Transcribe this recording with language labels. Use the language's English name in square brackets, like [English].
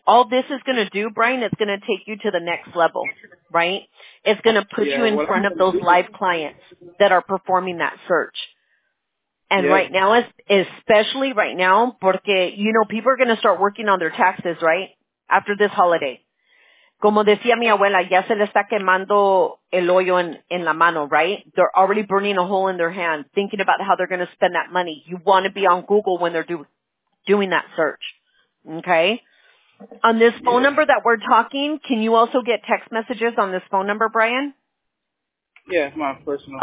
[English] All this is going to do, Brian, it's going to take you to the next level, right? It's going to put you in front of those live clients that are performing that search. And right now, especially right now, [Spanish] porque, [English] you know, people are going to start working on their taxes, right, after this holiday. [Spanish] Como decía mi abuela, ya se le está quemando el hoyo en la mano, right? [English] They're already burning a hole in their hand, thinking about how they're going to spend that money. You want to be on Google when they're doing that search, okay? On this phone number that we're talking, can you also get text messages on this phone number, Brian? Yeah, my personal.